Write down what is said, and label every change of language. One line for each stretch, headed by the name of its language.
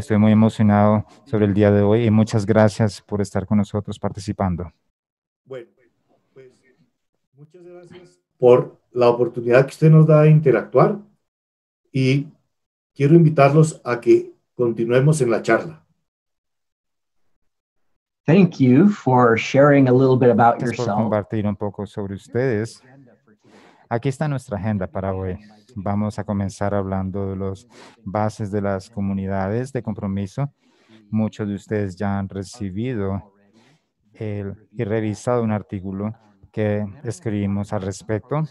Spanish: Estoy muy emocionado sobre el día de hoy y muchas gracias por estar con nosotros participando. Bueno. Muchas gracias por la oportunidad que usted nos da de interactuar y quiero invitarlos a que continuemos en la charla.
English: Thank you for sharing a little bit about yourself.
Spanish: Gracias por compartir un poco sobre ustedes. Aquí está nuestra agenda para hoy. Vamos a comenzar hablando de las bases de las comunidades de compromiso. Muchos de ustedes ya han recibido y revisado un artículo que escribimos al respecto.